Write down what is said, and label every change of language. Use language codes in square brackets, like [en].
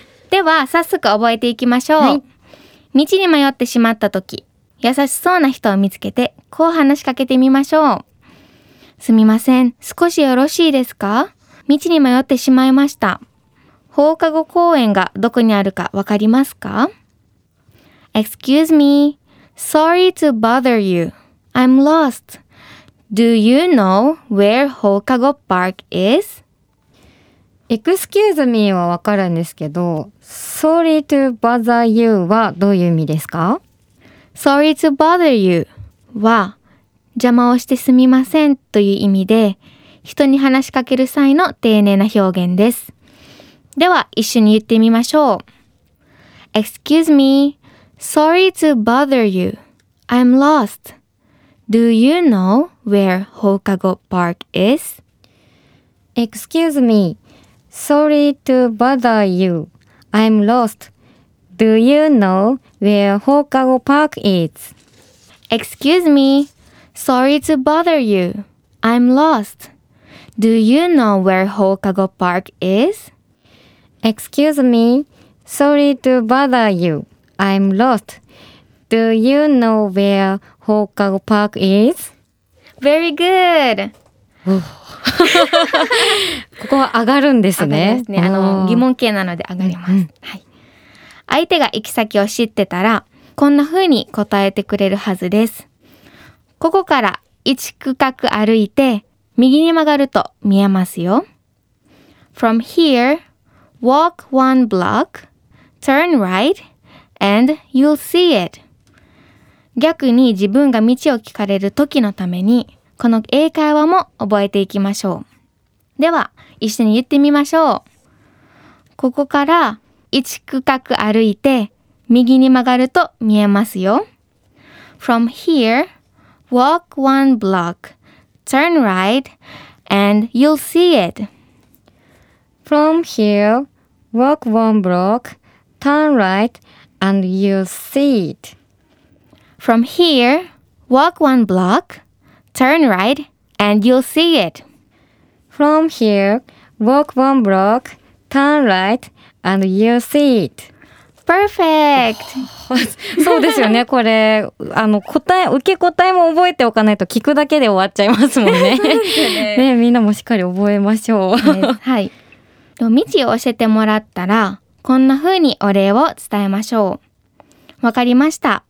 [ja] では早速覚えていきましょう、はい、道に迷ってしまった時、優しそうな人を見つけてこう話しかけてみましょう。すみません、少しよろしいですか？道に迷ってしまいました。放課後公園がどこにあるかわかりますか？ [en] Excuse meSorry to bother you. I'm lost. Do you know where 放課後 park is? [ja] Excuse me はわかるんですけど、 [en] Sorry to bother you [ja] はどういう意味ですか？ [en] Sorry to bother you [ja] は邪魔をしてすみませんという意味で、人に話しかける際の丁寧な表現です。では一緒に言ってみましょう。 [en] Excuse meSorry to bother you. I'm lost. Do you know where 放課後 park is? Excuse me. Sorry to bother you. I'm lost. Do you know where 放課後 park is? Excuse me. Sorry to bother you. I'm lost. Do you know where 放課後 park is? Excuse me. Sorry to bother you. I'm lost. Do you know where 放課後 park is? Very good. [ja] ここは上がるんですね。上がりますね。疑問形なので上がります、はい。相手が行き先を知ってたら、こんな風に答えてくれるはずです。ここから1区画歩いて、右に曲がると見えますよ。 [en] From here, walk one block, turn right,And you'll see it. [ja] 逆に自分が道を聞かれる時のために、この英会話も覚えていきましょう。では一緒に言ってみましょう。ここから1区画歩いて、右に曲がると見えますよ。 [en] From here, walk one block, turn right, and you'll see it. From here, walk one block, turn rightAnd you'll see it. From here, walk one block, turn right, and you'll see it. From here, walk one block, turn right, and you'll see it. Perfect! [ja] そうですよね。これ、受け答えも覚えておかないと聞くだけで終わっちゃいますもんね。ね、みんなもしっかり覚えましょう。はい。道を教えてもらったら、こんな風にお礼を伝えましょう。わかりました。